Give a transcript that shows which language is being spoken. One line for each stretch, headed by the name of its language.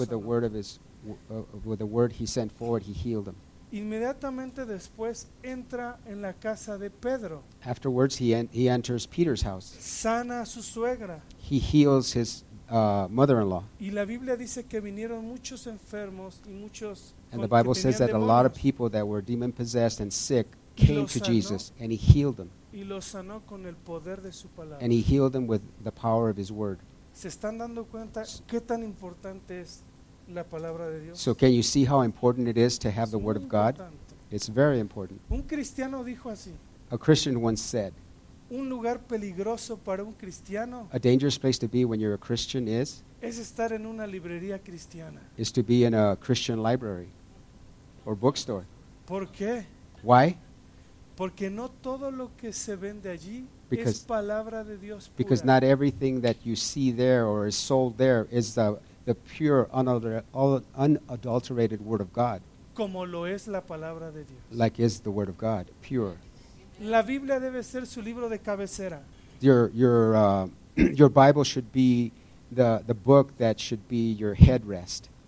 English: With the word of his, with the word he sent forward, he healed him.
Spanish: Inmediatamente después entra en la casa de Pedro.
English: Afterwards, he enters Peter's house.
Spanish: Sana a su suegra.
English: He heals his mother-in-law.
Spanish: Y la Biblia dice que vinieron muchos enfermos y muchos.
English: And the Bible says that
Spanish: demonios.
English: A lot of people that were demon-possessed and sick came to Jesus, and he healed them.
Spanish: Y los sanó con el poder de su palabra.
English: And he healed them with the power of his word.
Spanish: ¿Se están dando cuenta qué tan importante es? La palabra de Dios.
English: So can you see how important it is to have
Spanish: es
English: the word Of God? It's very important.
Spanish: Un cristiano dijo así.
English: A Christian once said,
Spanish: un lugar peligroso para un cristiano,
English: a dangerous place to be when you're a Christian is,
Spanish: es estar en una librería cristiana.
English: Is to be in a Christian library or bookstore.
Spanish: ¿Por qué?
English: Why?
Spanish: Porque no todo lo que se vende allí es palabra de Dios pura.
English: Because not everything that you see there or is sold there is the pure, unadulterated word of God.
Spanish: Como lo es la palabra de Dios.
English: Like is the word of God, pure.
Spanish: La Biblia debe ser su libro de cabecera.
English: Your Bible should be the book that should be your headrest.